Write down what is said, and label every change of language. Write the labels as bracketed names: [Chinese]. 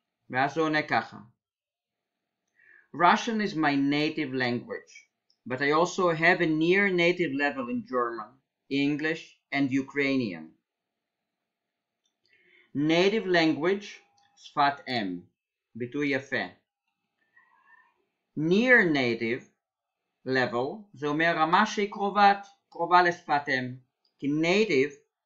[Hebrew] ואז הוא עונה ככה. [English] Russian is my native language, but I also have a near native level in German, English, and Ukrainian. Native language, [Hebrew] שפת אם, ביטוי יפה. [English] Near native level, [Hebrew] זה אומר רמה שהיא קרובה לשפת אם, כי native